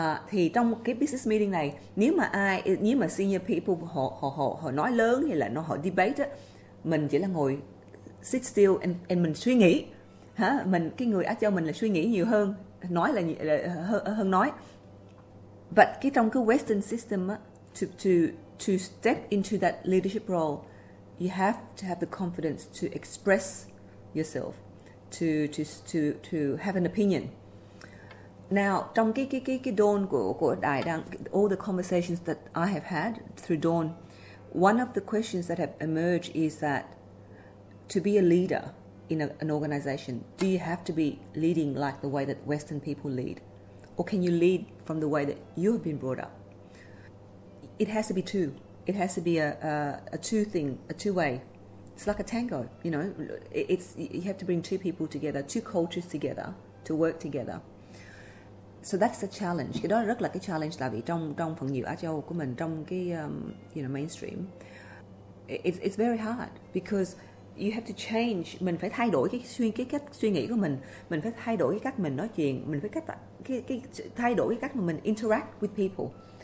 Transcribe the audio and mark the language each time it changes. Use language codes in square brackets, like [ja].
[vi] thì trong cái business meeting này, nếu mà senior people họ nói lớn hay là nó họ debate á, mình chỉ là ngồi [en] sit still [vi] and mình suy nghĩ, hả? Mình cái người Á Châu mình là suy nghĩ nhiều hơn, nói là hơn nói. [en] But cái trong cái Western system á, to step into that leadership role, you have to have the confidence to express yourself, to have an opinion. Now trong cái Dawn của Đài đang, all the conversations that I have had through Dawn, one of the questions that have emerged is that to be a leader in an organization, do you have to be leading like the way that Western people lead? Or can you lead from the way that you have been brought up? It has to be two. It has to be a two-way. It's like a tango, you know. You have to bring two people together, two cultures together, to work together. So that's a challenge. [vi] Cái đó rất là cái challenge, tại vì trong phần nhiều Á Châu của mình, trong cái mainstream, [en] it's very hard because you have to change. [vi] Mình phải thay đổi cái cách suy nghĩ của mình. Mình phải thay đổi cái cách mình nói chuyện. Mình phải thay đổi cái cách mà mình [en] interact with people.